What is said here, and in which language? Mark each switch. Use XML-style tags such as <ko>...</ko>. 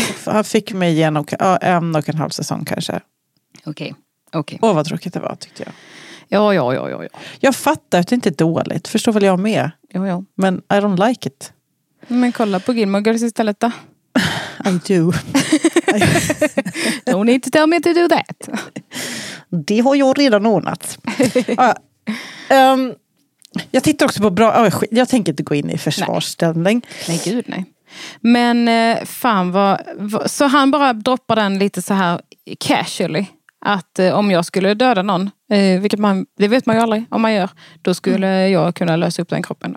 <sv>Han fick mig igenom en och en halv säsong kanske. Okej. Okay. Okej. Åh, vad tråkigt det var, tyckte jag. Ja. Jag fattar att det inte är dåligt. Förstår väl jag med? Ja. Men</sv> <en>I don't like it.</en> <sv>Men kolla på Gilmore Girls istället då.</sv> <en>I do. Don't need to tell me to do that.</en> <sv>Det har jag redan ordnat. Jag tittar också på bra... Jag tänker inte gå in i försvarsställning. Nej, gud nej. Men fan vad... Så han bara droppar den lite så här casually. Att om jag skulle döda någon, vilket man, det vet man ju aldrig om man gör, då skulle jag kunna lösa upp den kroppen.</sv>